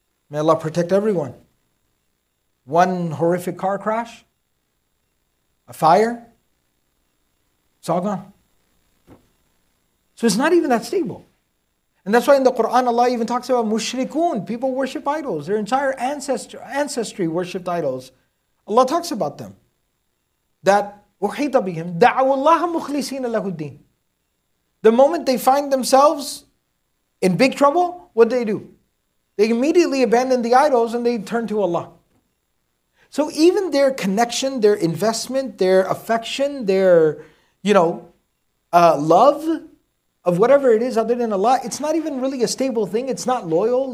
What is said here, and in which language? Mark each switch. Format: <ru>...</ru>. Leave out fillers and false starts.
<en>May Allah protect everyone. One horrific car crash, a fire, it's all gone. So it's not even that stable. And that's why in the Quran, Allah even talks about mushrikun, people worship idols. Their entire ancestry worshipped idols. Allah talks about them.</en> <ar>That, وَحِيطَ بِهِمْ دَعَوُ اللَّهَ مُخْلِصِينَ لَهُ الدِّينَ.</ar> <en>The moment they find themselves in big trouble, what do? They immediately abandon the idols and they turn to Allah. So even their connection, their investment, their affection, their, you know, love of whatever it is other than Allah, it's not even really a stable thing. It's not loyal.</en>